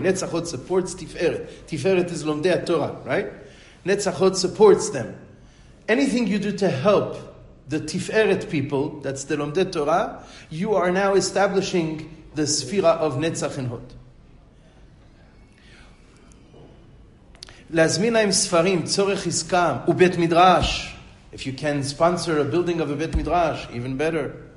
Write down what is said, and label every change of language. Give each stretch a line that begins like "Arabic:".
English: Netzach Hod supports Tiferet. Tiferet is Lomdei Torah, right? Netzachot supports them. Anything you do to help the Tiferet people, that's the Lomde Torah, you are now establishing the Sfira of Netzach and Hod.
Hebrew: להזמין להם ספרים, צורך עסקה, ובית מדרש.
English: If you can sponsor a building of a bit midrash, even better.